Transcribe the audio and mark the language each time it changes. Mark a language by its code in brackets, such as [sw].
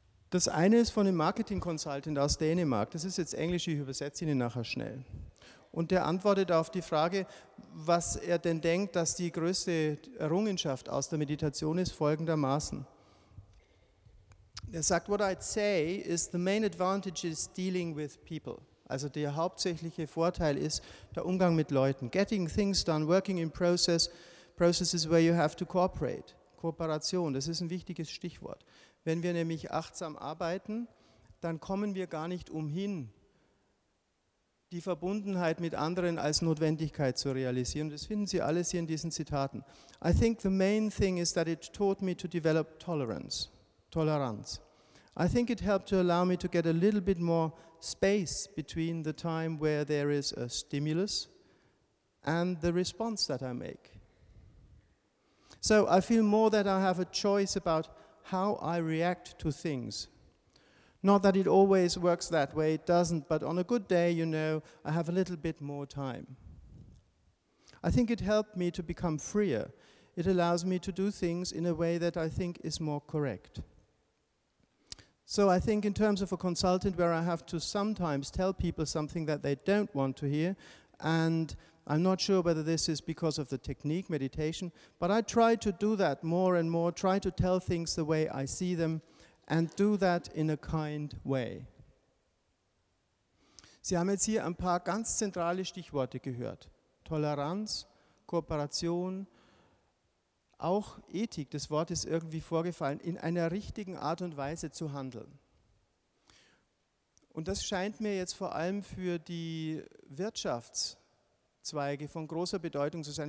[de] Das eine ist von einem Marketing-Consultant aus Dänemark. Das ist jetzt Englisch, ich übersetze Ihnen nachher schnell. Und der antwortet auf die Frage, was er denn denkt, dass die größte Errungenschaft aus der Meditation ist, folgendermaßen. Er sagt, [en] what I'd say is the main advantage is dealing with people. [de] Also der hauptsächliche Vorteil ist der Umgang mit Leuten. [en] Getting things done, working in processes where you have to cooperate. [de] Kooperation, das ist ein wichtiges Stichwort. Wenn wir nämlich achtsam arbeiten, dann kommen wir gar nicht umhin, die Verbundenheit mit anderen als Notwendigkeit zu realisieren. Das finden Sie alles hier in diesen Zitaten. [en] I think the main thing is that it taught me to develop Toleranz. I think it helped to allow me to get a little bit more space between the time where there is a stimulus and the response that I make. So I feel more that I have a choice about how I react to things. Not that it always works that way, it doesn't, but on a good day, you know, I have a little bit more time. I think it helped me to become freer. It allows me to do things in a way that I think is more correct. So I think in terms of a consultant where I have to sometimes tell people something that they don't want to hear, and I'm not sure whether this is because of the technique, meditation, but I try to do that more and more, try to tell things the way I see them, and do that in a kind way. [de] Sie haben jetzt hier ein paar ganz zentrale Stichworte gehört. Toleranz, Kooperation, auch Ethik, das Wort ist irgendwie vorgefallen, in einer richtigen Art und Weise zu handeln. Und das scheint mir jetzt vor allem für die Wirtschaftszweige von großer Bedeutung zu sein.